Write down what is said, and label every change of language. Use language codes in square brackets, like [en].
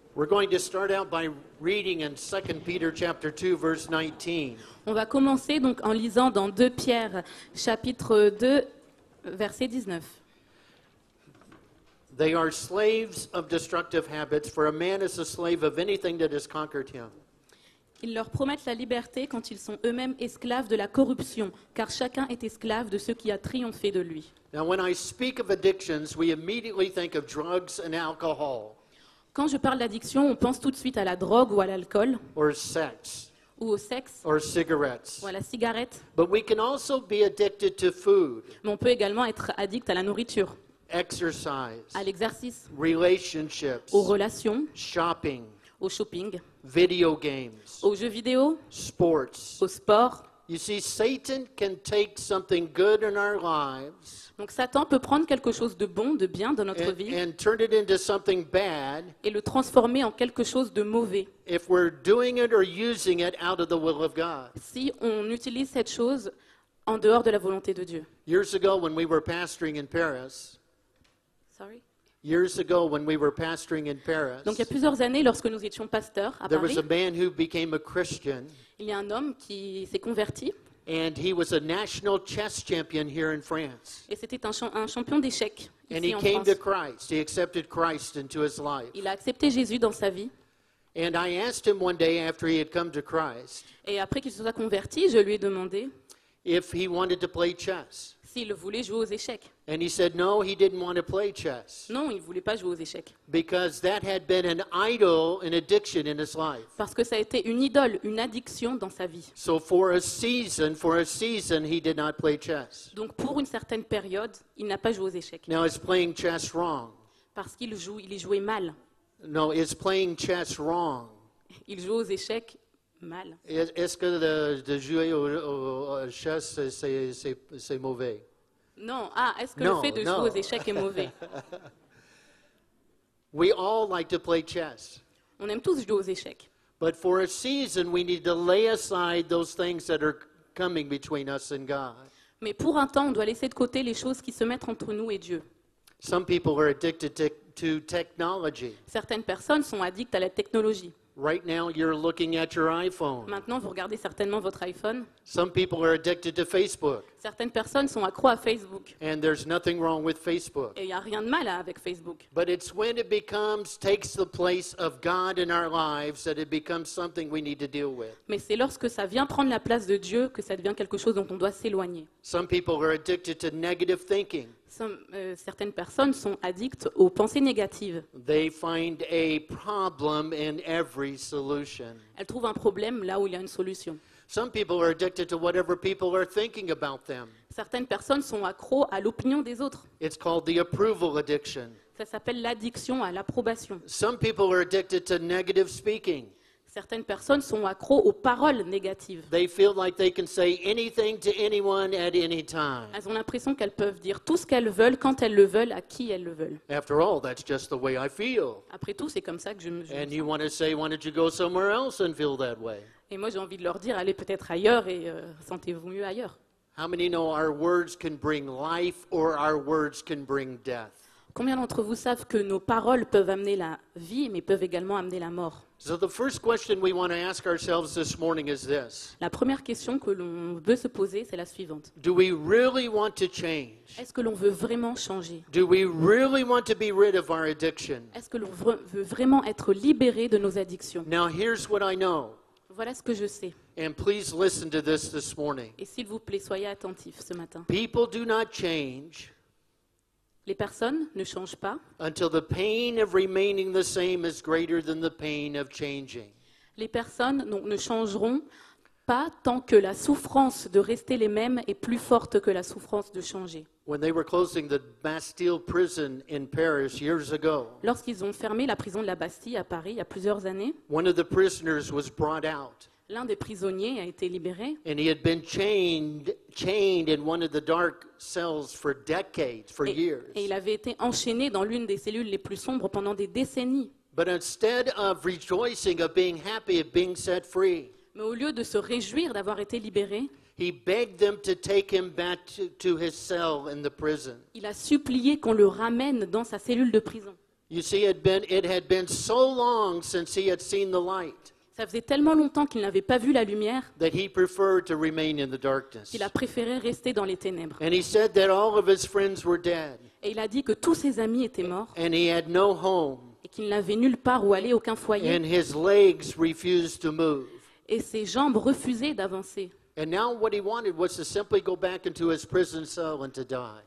[en] going to start out by reading in 2 Peter chapter 2 verse 19. [fr] On va commencer donc en lisant dans 2 Pierre chapitre 2 verset 19. [en] They are slaves of destructive habits, for a man is a slave of anything that has conquered him. [fr] Ils leur promettent la liberté quand ils sont eux-mêmes esclaves de la corruption, car chacun est esclave de ce qui a triomphé de lui. [en] Now when I speak of addictions, we immediately think of drugs and alcohol. [fr] Quand je parle d'addiction, on pense tout de suite à la drogue ou à l'alcool. [en] Or sex. [fr] Ou au sexe. [en] Or cigarettes. [fr] Ou à la cigarette. [en] But we can also be addicted to food. [fr] Mais on peut également être addict à la nourriture. [en] Exercise. [fr] À l'exercice. [en] Relationships. [fr] Aux relations. [en] Shopping. [fr] Au shopping. [en] Video games. [fr] Aux jeux vidéo. [en] Sports. [fr] Au sport. [en] You see, Satan can take something good in our lives. [fr] Donc Satan peut prendre quelque chose de bon, de bien dans notre vie [en] and turn it into something bad, [fr] et le transformer en quelque chose de mauvais [en] if we're doing it or using it out of the will of God. [fr] Si on utilise cette chose en dehors de la volonté de Dieu. [en] Years ago when we were pastoring in Paris. Sorry. Years ago when we were pastoring in Paris. [fr] Donc il y a plusieurs années lorsque nous étions pasteurs à [en] there [fr] Paris. [en] There was a man who became a Christian. [fr] Il y a un homme qui s'est converti. [en] And he was a national chess champion here in France. [fr] Et c'était un champion d'échecs ici en France. [en] And he came to Christ. He accepted Christ into his life. [fr] Il a accepté Jésus dans sa vie. [en] And I asked him one day after he had come to Christ. [fr] Et après qu'il se soit converti, je lui ai demandé [en] if he wanted to play chess. [fr] S'il voulait jouer aux échecs. [en] And he said no, he didn't want to play chess. [fr] Non, il voulait pas jouer aux échecs. [en] Because that had been an idol, an addiction in his life. [fr] Parce que ça a été une idole, une addiction dans sa vie. [en] So for a season, he did not play chess. [fr] Donc pour une certaine période, il n'a pas joué aux échecs. [en] Now he's playing chess wrong. [fr] Parce qu'il joue, il y jouait mal. [en] No, he's playing chess wrong. [fr] Il joue aux échecs. Mal. Est-ce que de jouer au chess c'est mauvais? Non. Ah, est-ce que le fait de jouer aux échecs est mauvais? [en] We all like to play chess. [fr] On aime tous jouer aux échecs. [en] But for a season, we need to lay aside those things that are coming between us and God. [fr] Mais pour un temps, on doit laisser de côté les choses qui se mettent entre nous et Dieu. [en] Some people are addicted to technology. [fr] Certaines personnes sont addictes à la technologie. [en] Right now, you're looking at your iPhone. [fr] Maintenant, vous regardez certainement votre iPhone. [en] Some people are addicted to Facebook. [fr] Certaines personnes sont accro à Facebook. [en] And there's nothing wrong with Facebook. [fr] Et il y a rien de mal avec Facebook. [en] But it's when it becomes takes the place of God in our lives that it becomes something we need to deal with. [fr] Mais c'est lorsque ça vient prendre la place de Dieu que ça devient quelque chose dont on doit s'éloigner. [en] Some people are addicted to negative thinking. [fr] Certaines personnes sont addictes aux pensées négatives. [en] They find a problem in every solution. [fr] Elles trouvent un problème là où il y a une solution. [en] Some people are addicted to whatever people are thinking about them. [fr] Certaines personnes sont accros à l'opinion des autres. [en] It's called the approval addiction. [fr] Ça s'appelle l'addiction à l'approbation. [en] Some people are addicted to negative speaking. [fr] Certaines personnes sont accros aux paroles négatives. [en] They feel like they can say anything to anyone at any time. [fr] Elles ont l'impression qu'elles peuvent dire tout ce qu'elles veulent quand elles le veulent à qui elles le veulent. [en] After all, that's just the way I feel. [fr] Après tout, c'est comme ça que je me sens. [en] And you want to say, why don't you go somewhere else and feel that way? [fr] Et moi, j'ai envie de leur dire, allez peut-être ailleurs et sentez-vous mieux ailleurs. [en] How many know our words can bring life or our words can bring death? [fr] Combien d'entre vous savent que nos paroles peuvent amener la vie, mais peuvent également amener la mort? [en] So the first question we want to ask ourselves this morning is this. [fr] La première question que l'on veut se poser, c'est la suivante. [en] Do we really want to change? [fr] Est-ce que l'on veut vraiment changer? [en] Do we really want to be rid of our addiction? [fr] Est-ce que l'on veut vraiment être libéré de nos addictions? [en] Now here's what I know. [fr] Voilà ce que je sais. [en] And please listen to this morning. [fr] Et s'il vous plaît, soyez attentifs ce matin. [en] People do not change. [fr] Les personnes ne changent pas. [en] Until the pain of remaining the same is greater than the pain of changing. [fr] Les personnes ne changeront pas tant que la souffrance de rester les mêmes est plus forte que la souffrance de changer. [en] When they were closing the Bastille prison in Paris years ago. [fr] Lorsqu'ils ont fermé la prison de la Bastille à Paris il y a plusieurs années. [en] One of the prisoners was brought out. [fr] L'un des prisonniers a été libéré. [en] And he had been chained in one of the dark cells for decades, for years. [fr] Et il avait été enchaîné dans l'une des cellules les plus sombres pendant des décennies. [en] But instead of rejoicing, of being happy, of being set free. [fr] Mais au lieu de se réjouir d'avoir été libéré. [en] He begged them to take him back to his cell in the prison. [fr] Il a supplié qu'on le ramène dans sa cellule de prison. [en] You see, it had been so long since he had seen the light. [fr] Ça faisait tellement longtemps qu'il n'avait pas vu la lumière. [en] That he preferred to remain in the darkness. [fr] Il a préféré rester dans les ténèbres. [en] And he said that all of his friends were dead. [fr] Et il a dit que tous ses amis étaient morts. [en] And he had no home. [fr] Et qu'il n'avait nulle part où aller, aucun foyer. [en] And his legs refused to move. [fr] Et ses jambes refusaient d'avancer. [en] And now what he wanted was to simply go back into his prison cell and to die.